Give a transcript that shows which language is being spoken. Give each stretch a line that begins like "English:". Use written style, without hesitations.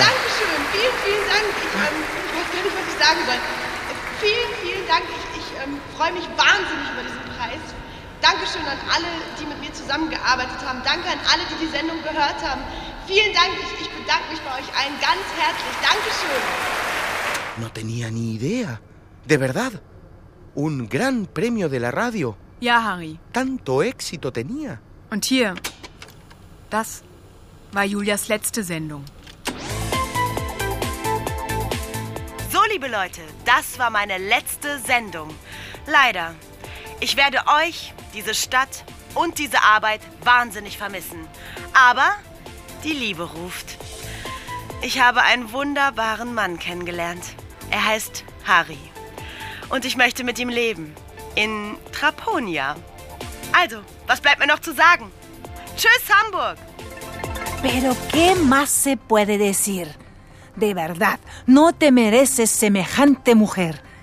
German: Dankeschön, vielen, vielen Dank. Ich weiß gar nicht, was ich sagen soll. Vielen, vielen Dank. Ich freue mich wahnsinnig über diesen Preis. Dankeschön an alle, die mit mir zusammengearbeitet haben. Danke an alle, die die Sendung gehört haben. Vielen Dank, ich bedanke mich bei euch allen ganz herzlich. Dankeschön.
Spanish: No tenía ni idea. De verdad. Un gran premio de la radio.
German: Ja, Harry.
Spanish: Tanto éxito tenía.
German: Und hier, das war Julias letzte Sendung. So, liebe Leute, das war meine letzte Sendung. Leider. Ich werde euch, diese Stadt und diese Arbeit wahnsinnig vermissen. Aber die Liebe ruft. Ich habe einen wunderbaren Mann kennengelernt. Er heißt Harry. Und ich möchte mit ihm leben. In Traponia. Also, was bleibt mir noch zu sagen? Tschüss, Hamburg!
Spanish: Pero qué más se puede decir? De verdad, no te mereces semejante mujer.